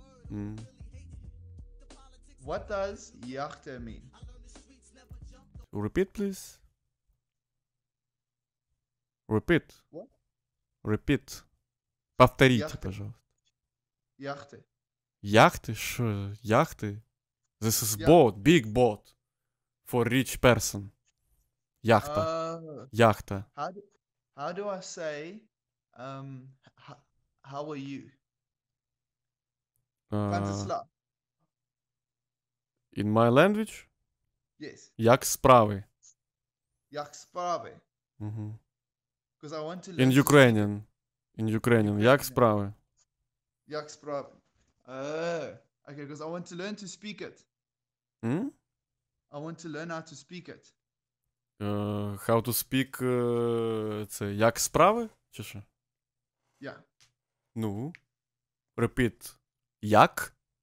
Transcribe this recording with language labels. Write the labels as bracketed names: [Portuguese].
[English] Mm. What does yachta mean? Repeat, please. Repeat. What? Repeat. [Russian] Повторите, yachta. Пожалуйста. [English] Yachta. [Russian] Яхты? Что? Яхты? [English] This is boat, big boat for rich person. [Russian] Яхта. Яхта. [English] How do I say, how are you? In my language? Yes. [Ukrainian] Як справи? Як справи? [English] Because I want to learn... In Ukrainian. [Ukrainian] Як справи? Як справи? [English] Okay, because I want to learn to speak it. Hmm? I want to learn how to speak it. How to speak, [Ukrainian] це, як справи, чи що? [English] Yeah. [Ukrainian] Ну, [English] repeat, [Ukrainian] як?